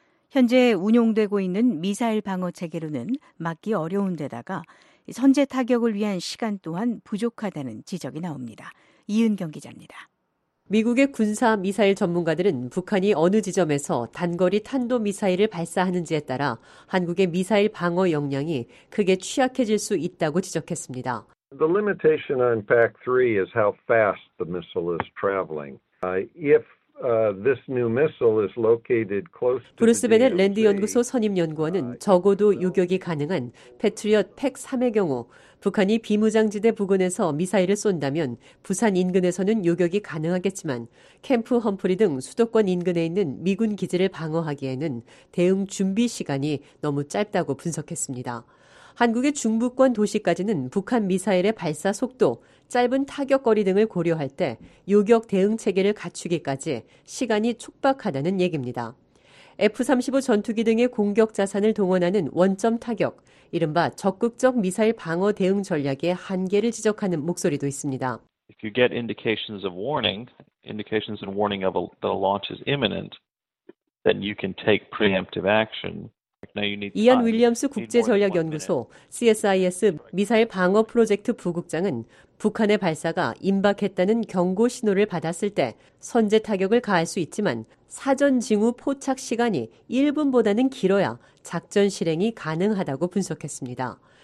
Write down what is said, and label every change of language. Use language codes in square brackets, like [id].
[ko] 현재 운용되고 있는 미사일 방어 체계로는 막기 어려운 데다가 선제 타격을 위한 시간 또한 부족하다는 지적이 나옵니다. 이은경 기자입니다. 미국의 군사 미사일 전문가들은 북한이 어느 지점에서 단거리 탄도미사일을 발사하는지에 따라 한국의 미사일 방어 역량이 크게 취약해질 수 있다고 지적했습니다. [en] The limitation on PAC-3 is how fast the missile is traveling. If This new missile is located close to [ko] 브루스 베넷 랜드 연구소 선임 연구원은 적어도 요격이 가능한 패트리엇 팩3의 경우 북한이 비무장지대 부근에서 미사일을 쏜다면 부산 인근에서는 요격이 가능하겠지만 캠프 험프리 등 수도권 인근에 있는 미군 기지를 방어하기에는 대응 준비 시간이 너무 짧다고 분석했습니다. 한국의 중부권 도시까지는 북한 미사일의 발사 속도, 짧은 타격 거리 등을 고려할 때 요격 대응 체계를 갖추기까지 시간이 촉박하다는 얘기입니다. F-35 전투기 등의 공격 자산을 동원하는 원점 타격, 이른바 적극적 미사일 방어 대응 전략의 한계를 지적하는 목소리도 있습니다. [en] If you get indications of warning, indications and warning of the launch is imminent, then you can take preemptive action. [ko] 이안 윌리엄스 국제전략연구소 CSIS 미사일 방어 프로젝트 부국장은 북한의 발사가 임박했다는 경고 신호를 받았을 때 선제 타격을 가할 수 있지만 사전 징후 포착 시간이 1분보다는 길어야 작전 실행이 가능하다고 분석했습니다.